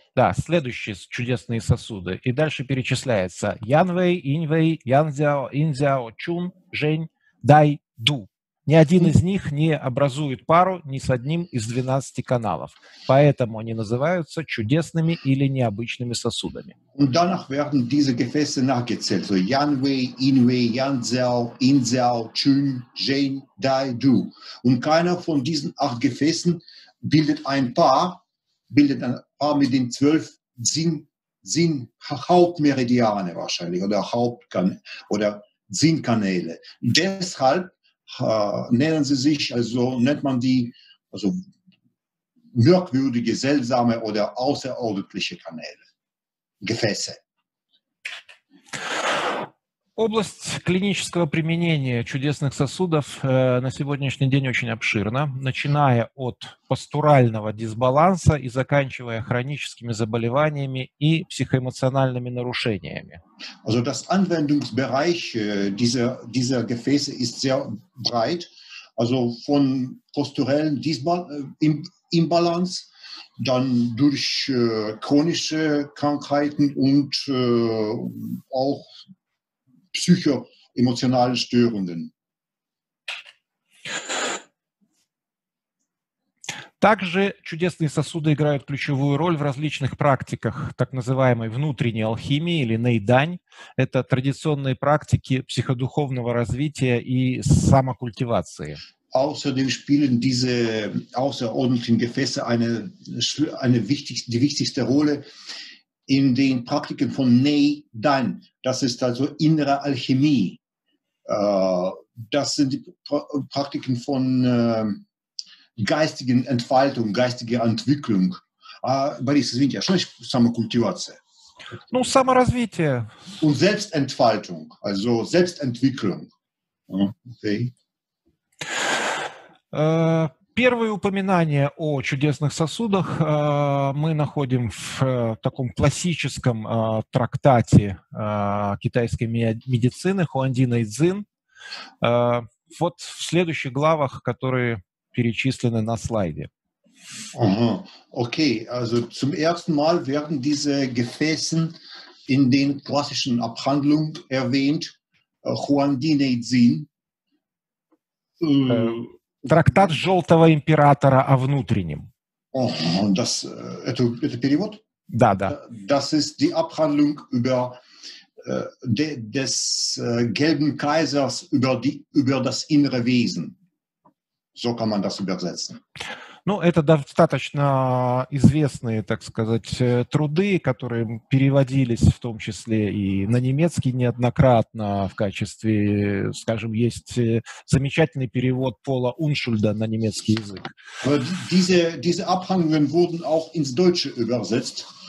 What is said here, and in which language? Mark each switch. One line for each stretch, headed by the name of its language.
Russian: Да, следующие чудесные сосуды. И дальше перечисляется Янвэй, Иньвэй, Янзяо, Инзяо, Чун, Жень, Дай, Ду. Ни один из них не образует пару ни с одним из 12 каналов. Поэтому они называются чудесными или необычными сосудами.
German: Und danach werden diese Gefäße nachgezählt. So Янвэй, Иньвэй, Янзяо, Инзяо, Чун, Жень, Дай, Ду. Und keiner von diesen 8 Gefäßen bildet ein Paar, bildet ein Paar mit den 12 Sinn Hauptmeridiane wahrscheinlich oder Sinnkanäle. Deshalb nennt man die merkwürdige, seltsame oder außerordentliche Kanäle, Gefäße.
Russian: Область клинического применения чудесных сосудов на сегодняшний день очень обширна, начиная от постурального дисбаланса и заканчивая хроническими заболеваниями и психоэмоциональными нарушениями.
German: Also das Anwendungsbereich dieser Gefäße ist sehr breit, also von posturellen Imbalance, dann durch chronische Krankheiten und auch
Russian: психоэмоциональные
German: Störungen.
Russian: Также чудесные сосуды играют ключевую роль в различных практиках так называемой внутренней алхимии или нейдань. Это традиционные практики психодуховного развития и самокультивации.
German: Außerdem spielen diese außerordentlichen Gefäße die wichtigste Rolle in den Praktiken von Neidan. Das ist also innere Alchemie. Das sind Praktiken von geistigen Entfaltung, geistiger Entwicklung.
Russian: Борис, извините, что
German: ist
Russian: самокультивация? Ну, саморазвитие.
German: Und Selbstentfaltung, also Selbstentwicklung. Okay.
Russian: Первые упоминания о чудесных сосудах мы находим в таком классическом трактате китайской медицины Хуандина и Цзин. Вот в следующих главах, которые перечислены на слайде.
German: Okay, also zum ersten Mal werden diese Gefäße in den klassischen Abhandlungen erwähnt, Хуандина и Цзин.
Russian: Трактат Желтого Императора о внутреннем. Это перевод? Да, да.
German: Das ist die Abhandlung über des Gelben Kaisers über das innere Wesen. So kann man das übersetzen.
Russian: Ну, это достаточно известные, так сказать, труды, которые переводились в том числе и на немецкий неоднократно в качестве, скажем, есть замечательный перевод Пола Уншульда на немецкий язык.
German: Diese Abhandlungen wurden auch ins Deutsche übersetzt.